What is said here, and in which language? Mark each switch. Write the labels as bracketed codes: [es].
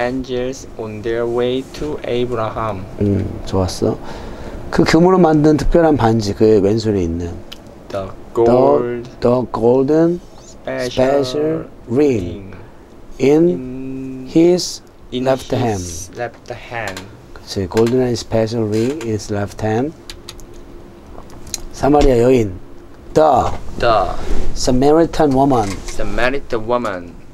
[en] Three very beautiful angels on their way to Abraham. [ko] 좋았어. 그 금으로 만든 특별한 반지 그의 왼손에 있는 [en] The golden special ring in his left hand. 그치, golden and special ring in his left hand. [ko] 사마리아 여인 [en] The Samaritan woman.